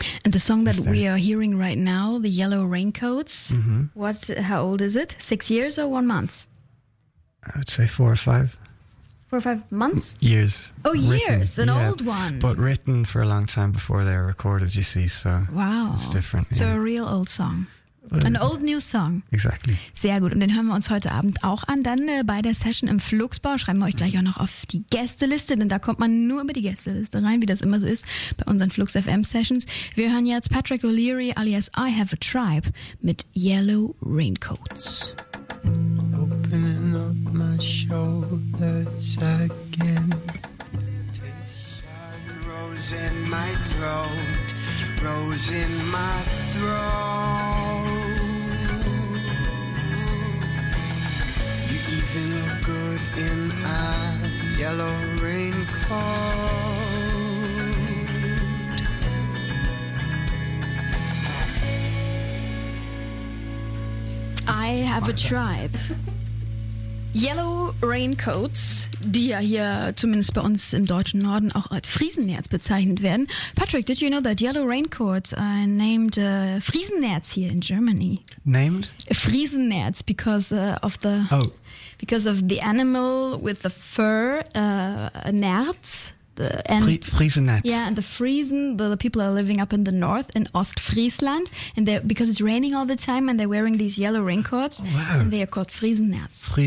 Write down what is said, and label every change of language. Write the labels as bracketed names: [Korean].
[English] And the song that we are hearing right now, The Yellow Raincoats, mm-hmm. How old is it? 6 years or 1 month? I would say 4 or 5. 4 or 5 months? Years. Oh, years. Written. An old one. But written for a long time before they're recorded, you see, so. Wow. It's different. So a real old song. An old new song. Exactly. [German] Sehr gut. Und den hören wir uns heute Abend auch an. Dann bei der Session im Fluxbau schreiben wir euch gleich auch noch auf die Gästeliste, denn da kommt man nur über die Gästeliste rein, wie das immer so ist bei unseren Flux FM Sessions. Wir hören jetzt Patrick O'Leary alias I Have a Tribe mit Yellow Raincoats. [English] Opening up my shoulders again. The sun rose in my throat. Rose in my throat. You even look good in a yellow raincoat. I have a tribe. [German] Yellow Raincoats, die ja hier zumindest bei uns im deutschen Norden auch als Friesennerz bezeichnet werden. [English] Patrick, did you know that Yellow Raincoats are named Friesennerz here in Germany? Named? Friesennerz because of the animal with the fur, Nerz. Friesennetz. Yeah, and the Friesen, the people are living up in the north in Ostfriesland, and they because it's raining all the time and they're wearing these yellow raincoats, and they are called Friesennetz.